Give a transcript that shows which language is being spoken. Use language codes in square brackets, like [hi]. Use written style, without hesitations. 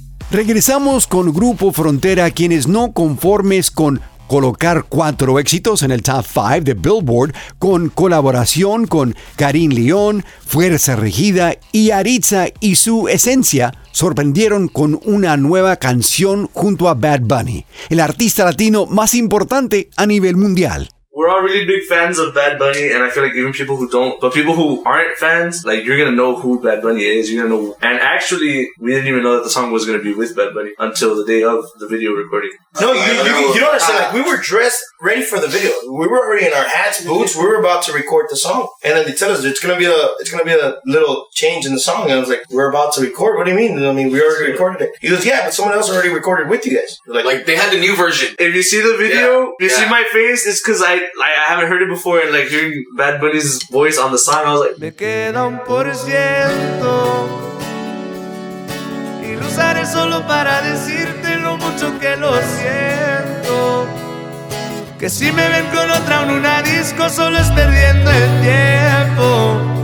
[es] Regresamos con Grupo Frontera, quienes no conformes con colocar cuatro éxitos en el top 5 de Billboard, con colaboración con Carin León, Fuerza Regida y Aritza y su esencia, sorprendieron con una nueva canción junto a Bad Bunny, el artista latino más importante a nivel mundial. [en] We're all really big fans of Bad Bunny, and I feel like even people who don't, but people who aren't fans, like, you're gonna know who Bad Bunny is, you're gonna know. And actually, we didn't even know that the song was gonna be with Bad Bunny until the day of the video recording. No, you don't understand, like, we were dressed ready for the video. We were already in our hats, boots, we were about to record the song. And then they tell us, it's gonna be a little change in the song. And I was like, we're about to record, what do you mean? I mean, we already recorded it. He goes, yeah, but someone else already recorded with you guys. Like they had the new version. If you see the video, see my face, it's cause I haven't heard it before, and like hearing Bad Bunny's voice on the song, I was like, [es] me queda un por ciento y lo usaré solo para decirte lo mucho que lo siento. Que si me ven con otra en una disco solo es perdiendo el tiempo.